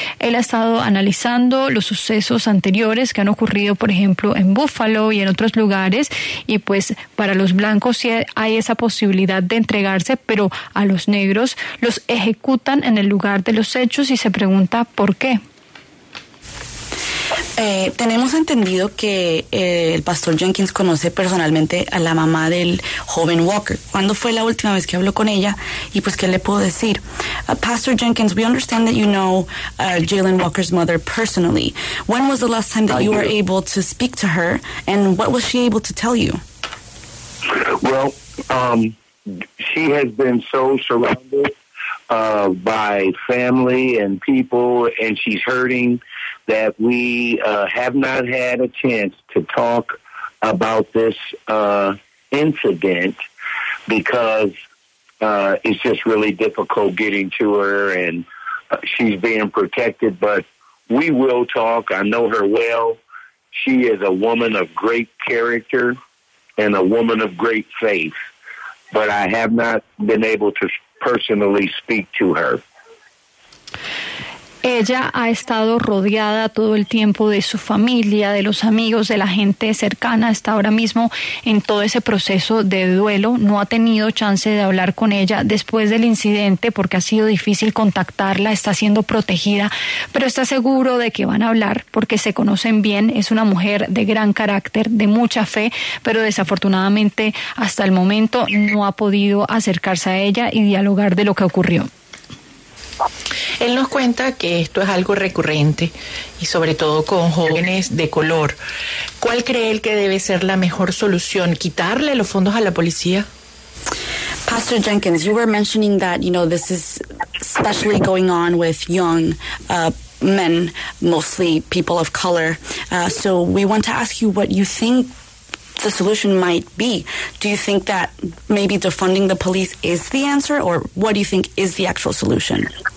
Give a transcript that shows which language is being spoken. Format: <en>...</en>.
<es>Él ha estado analizando los sucesos anteriores que han ocurrido, por ejemplo, en Buffalo y en otros lugares, y pues para los blancos sí hay esa posibilidad de entregarse, pero a los negros los ejecutan en el lugar de los hechos y se pregunta por qué. Tenemos entendido que el pastor Jenkins conoce personalmente a la mamá del joven Walker. ¿Cuándo fue la última vez que habló con ella? Y pues, ¿qué le puedo decir?</es> <en>Pastor Jenkins, we understand that you know Jalen Walker's mother personally. When was the last time that you were able to speak to her, and what was she able to tell you? Well, she has been so surrounded by family and people, and she's hurting, that we have not had a chance to talk about this incident because it's just really difficult getting to her, and she's being protected. But we will talk. I know her well. She is a woman of great character and a woman of great faith, but I have not been able to personally speak to her.</en> <es>ella ha estado rodeada todo el tiempo de su familia, de los amigos, de la gente cercana, está ahora mismo en todo ese proceso de duelo, no ha tenido chance de hablar con ella después del incidente porque ha sido difícil contactarla, está siendo protegida, pero está seguro de que van a hablar porque se conocen bien, es una mujer de gran carácter, de mucha fe, pero desafortunadamente hasta el momento no ha podido acercarse a ella y dialogar de lo que ocurrió. Él nos cuenta que esto es algo recurrente y sobre todo con jóvenes de color. ¿Cuál cree él que debe ser la mejor solución? ¿Quitarle los fondos a la policía?</es> <en>Pastor Jenkins, you were mentioning that, you know, this is especially going on with young men, mostly people of color. So we want to ask you what you think the solution might be. Do you think that maybe defunding the police is the answer, or what do you think is the actual solution?</en>